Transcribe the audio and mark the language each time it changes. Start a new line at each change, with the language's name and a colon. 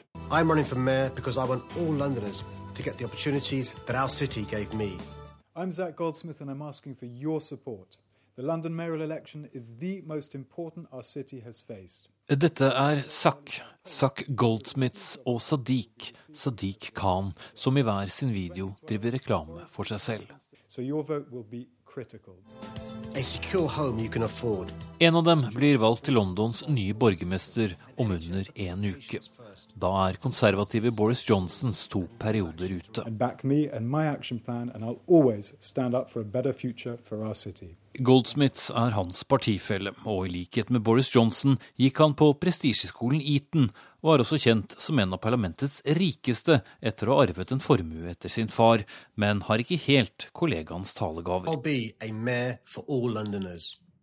English: I'm running for mayor because I want all Londoners to get the opportunities that our city gave me. I'm Zach Goldsmith and I'm asking for your support. The London mayoral election is the most important our city has faced.
Norwegian: Dette er Zach Goldsmiths og Sadiq Khan, som i hver sin video driver reklame for seg selv.
English: So your vote will be critical. A secure home you can afford.
Norwegian: En av dem blir valgt til Londons nye borgermester om under en uke. Da er konservative Boris Johnsons 2 perioder ute.
English: And back me and my action plan and I'll always stand up for a better future for our city.
Norwegian: Goldsmith er hans partifelle, og i likhet med Boris Johnson gikk han på prestisjeskolen Eton, og er også kjent som en av parlamentets rikeste etter å ha arvet en formue etter sin far, men har ikke helt kollegaens talegaver.
English: I'll be a mayor for all Londoners.